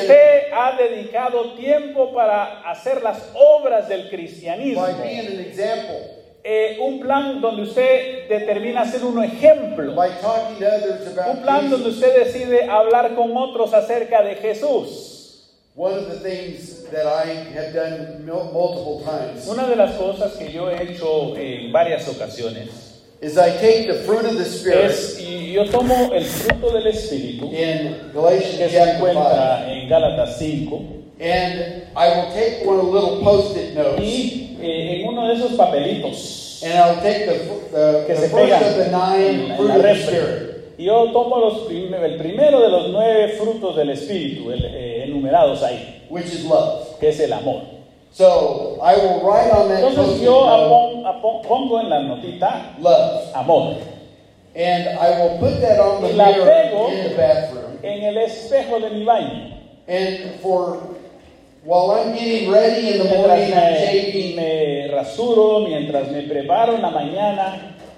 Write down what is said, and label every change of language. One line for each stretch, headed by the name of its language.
Spanish: usted ha dedicado tiempo para hacer las obras del cristianismo.
English: By being an example.
Spanish: Un plan donde usted determina ser un ejemplo.
English: By talking to others about
Spanish: un plan
English: Jesus
Spanish: donde usted decide hablar con otros acerca de Jesús.
English: One of the things that I have done multiple times.
Spanish: Una de las cosas que yo he hecho en varias ocasiones.
English: Is I take the fruit of the Spirit.
Spanish: Es, y yo tomo el fruto del Espíritu.
English: In Galatians chapter 5.
Spanish: En Gálatas 5.
English: And I will take one of the little post-it notes.
Spanish: Y en uno de esos papelitos.
English: And I'll take the first of the nine fruit of the Spirit.
Spanish: Yo tomo el primero de los nueve frutos del Espíritu, enumerados ahí.
English: Which is love.
Spanish: Que es el amor.
English: So, I will write on that.
Spanish: Entonces yo pongo en la notita.
English: Love.
Spanish: Amor.
English: And I will put that on the mirror in the bathroom.
Spanish: En el espejo de mi baño.
English: And for, while I'm getting ready in the morning, I'm shaving.
Spanish: Me rasuro mientras me preparo en la mañana.